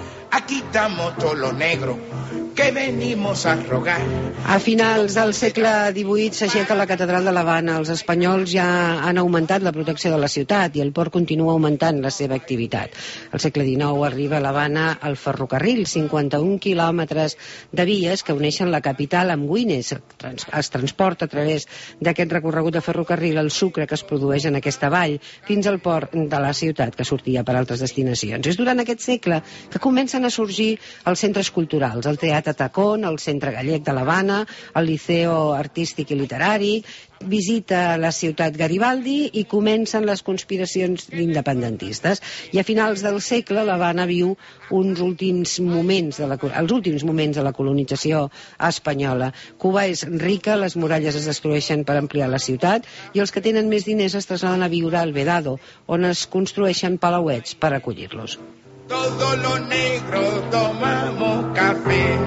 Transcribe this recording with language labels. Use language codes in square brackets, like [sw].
[es] Aquí estamos todos los negros que venimos a rogar. [ca] A finals del segle XVIII s'aixeca la catedral de l'Havana. Els espanyols ja han augmentat la protecció de la ciutat i el port continua augmentant la seva activitat. Al segle XIX arriba a l'Havana el ferrocarril, 51 quilòmetres de vies que uneixen la capital amb Guines. Es transporta a través d'aquest recorregut de ferrocarril el sucre que es produeix en aquesta vall fins al port de la ciutat, que sortia per altres destinacions. És durant aquest segle que comencen a sorgir els centres culturals, el Teatre Tacón, el Centre Gallec de l'Havana, el Liceo Artístic i Literari, visita la ciutat Garibaldi i comencen les conspiracions independentistes. I a finals del segle l'Havana viu els últims moments de la colonització espanyola. Cuba és rica, les muralles es destrueixen per ampliar la ciutat i els que tenen més diners es traslladen a viure al Vedado, on es construeixen palauets per acollir-los. [es] Todo lo negro tomamos café.